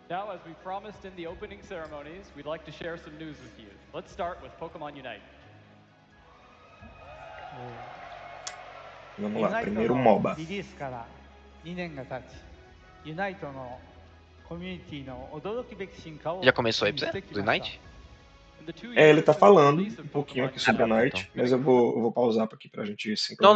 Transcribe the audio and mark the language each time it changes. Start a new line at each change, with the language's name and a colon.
English: Now as we promised in the opening ceremonies, we'd like to share some news with you. Let's start with Pokémon Unite.
Portuguese: Vamos lá, primeiro MOBA.
Japanese: Release から 2年が経ち, Unite のコミュニティの驚くべき進化を
Portuguese: Já começou aí, Pedro? Unite? É, ele tá falando um pouquinho aqui sobre Unite, então. Mas eu vou pausar aqui pra gente sincronizar.